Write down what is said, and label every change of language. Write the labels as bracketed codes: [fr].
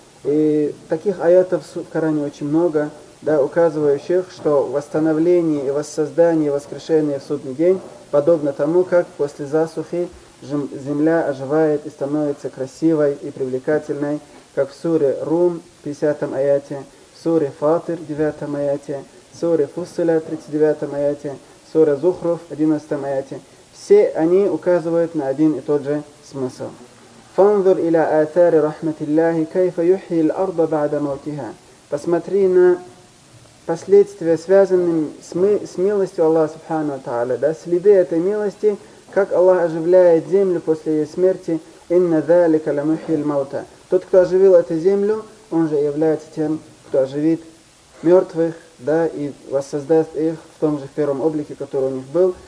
[ru] И таких аятов в Коране очень много, да, указывающих, что восстановление и воссоздание, воскрешение в судный день подобно тому, как после засухи земля оживает и становится красивой и привлекательной, как в суре Рум, 50-м аяте, в суре Фатир, 9-м аяте, в суре Фуссиля, 39-м аяте, в суре Зухруф, 11-м аяте. Все они указывают на один и тот же смысл. [ar] فَانْظُرْ إِلَىٰ آثَارِ رَحْمَةِ اللَّهِ كَيْفَ يُحْيِي الْأَرْضَ بَعْدَ مَوْتِهَا. [ru] Посмотри на последствия, связанные с милостью Аллаха Субхану Та'аля, да, следы этой милости, как Аллах оживляет землю после ее смерти, [ar] «Инна дзалика ля мухьил маута». [ru] Тот, кто оживил эту землю, он же является тем, кто оживит мертвых, да, и воссоздаст их в том же первом облике, который у них был.